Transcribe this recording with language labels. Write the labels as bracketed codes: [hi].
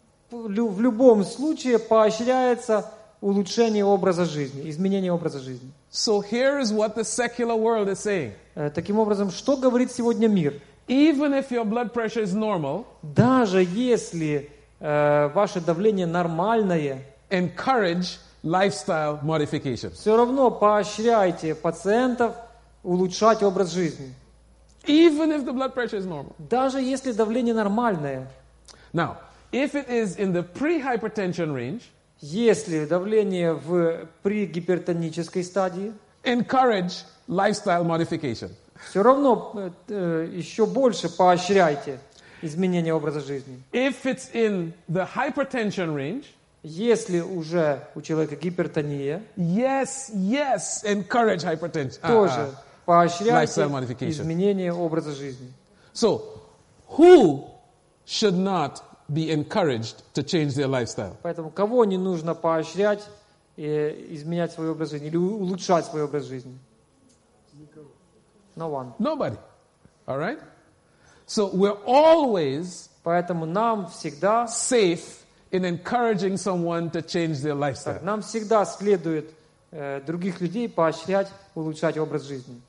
[ru] В любом случае поощряется улучшение образа жизни, изменение образа жизни. [en] So here is what the secular world is saying. [ru] Таким образом, что говорит сегодня мир? [en] Even if your blood pressure is normal, [ru] даже если ваше давление нормальное, [en] encourage lifestyle modification. [ru] Все равно поощряйте пациентов улучшать образ жизни. [en] Even if the blood pressure is normal. [ru] Даже если давление нормальное. [en] Now, if it is in the pre-hypertension range, [ru] если давление в пригипертонической стадии, [en] encourage lifestyle modification. [ru] Все равно еще больше поощряйте изменение образа жизни. [en] If it's in the hypertension range, [ru] если уже у человека гипертония, [en] yes, yes, encourage hypertension. [ru] Тоже поощряйте изменение образа жизни. [en] So, who should not be encouraged to change their lifestyle? [ru] Поэтому кого не нужно поощрять и изменять свой образ жизни или улучшать свой образ жизни? [en] No one. Nobody. All right? So we're always, [ru] поэтому нам всегда, [en] safe in encouraging someone to change their lifestyle. [ru] Нам всегда следует других людей поощрять улучшать образ жизни.